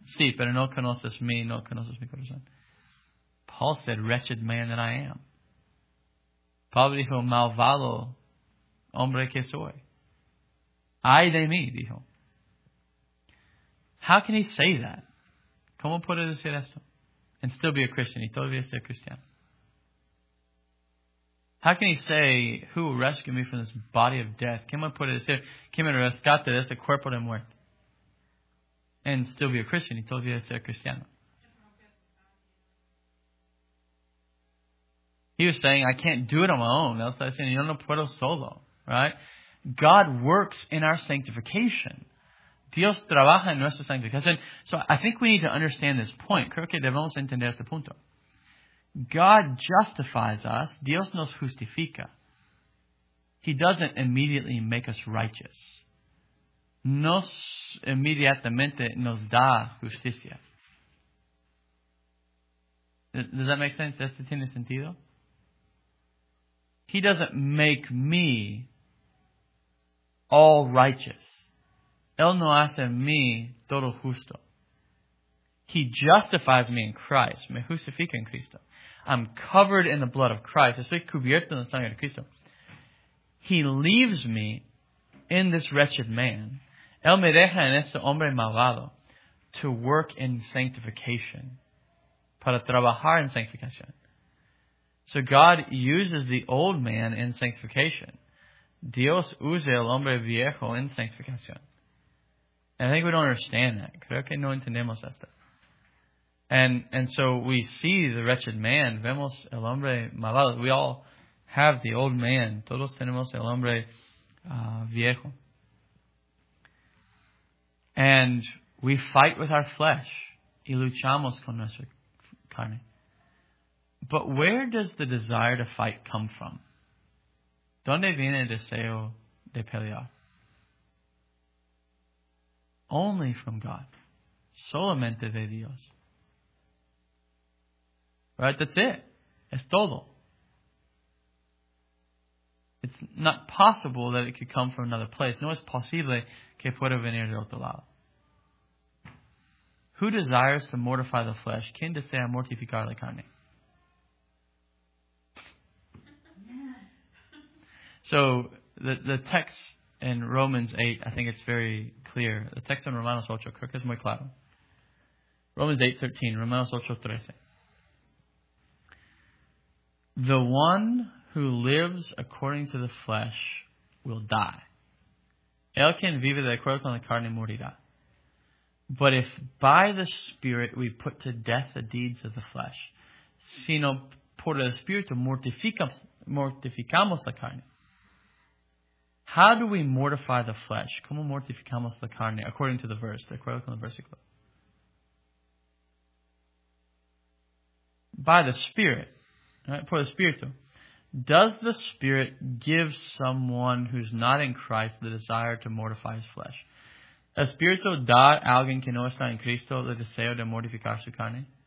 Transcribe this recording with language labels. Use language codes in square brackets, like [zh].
[es] Sí, pero no conoces mí, no conoces mi corazón. [en] Paul said, wretched man that I am. [es] Pablo dijo, malvado hombre que soy. Ay de mí, dijo. [en] How can he say that? [es] ¿Cómo puede decir esto? [en] And still be a Christian. [es] Y todavía ser cristiano. [en] How can he say, who will rescue me from this body of death? [es] ¿Quién me puede decir? ¿Quién me rescate de ese cuerpo de muerte? [en] And still be a Christian. [es] Y todavía ser cristiano. [en] He was saying, I can't do it on my own. [es] Él estaba diciendo, yo no puedo solo. [en] Right? God works in our sanctification. [es] Dios trabaja en nuestra sanctificación. [en] So I think we need to understand this point. [es] Creo que debemos entender este punto. [en] God justifies us. [es] Dios nos justifica. [en] He doesn't immediately make us righteous. [es] No inmediatamente nos da justicia. [en] Does that make sense? [es] ¿Esto tiene sentido? [en] He doesn't make me all righteous. [es] Él no hace mí todo justo. [en] He justifies me in Christ. [es] Me justifica en Cristo. [en] I'm covered in the blood of Christ. [es] Estoy cubierto en la sangre de Cristo. [en] He leaves me in this wretched man. [es] Él me deja en este hombre malvado [en] to work in sanctification. [es] Para trabajar en sanctificación. [en] So God uses the old man in sanctification. [es] Dios usa el hombre viejo en sanctificación. [en] And I think we don't understand that. [es] Creo que no entendemos esto. [en] And so we see the wretched man. [es] Vemos el hombre malvado. [en] We all have the old man. [es] Todos tenemos el hombre viejo. [en] And we fight with our flesh. [es] Y luchamos con nuestra carne. [en] But where does the desire to fight come from? [es] ¿Dónde viene el deseo de pelear? [en] Only from God. [es] Solamente de Dios. [en] Right? That's it. [es] Es todo. [en] It's not possible that it could come from another place. [es] No es posible que pueda venir de otro lado. [en] Who desires to mortify the flesh? [es] ¿Quién desea mortificar la carne? [en] So, the text in Romans 8, I think it's very clear. The text in [es] Romanos 8, creo que es muy claro. [en] Romans 8:13, Romanos 8:13. The one who lives according to the flesh will die. [es] El quien vive de acuerdo con la carne morirá. [en] But if by the Spirit we put to death the deeds of the flesh, [es] sino por el Espíritu mortificamos la carne. [en] How do we mortify the flesh? [es] ¿Cómo mortificamos la carne? [en] According to the verse, [es] de acuerdo con el versículo. [en] By the Spirit. Right? [es] Por el Espíritu. [en] Does the Spirit give someone who's not in Christ the desire to mortify his flesh? [es] ¿El Espíritu da a alguien que no está en Cristo el deseo de mortificar su carne?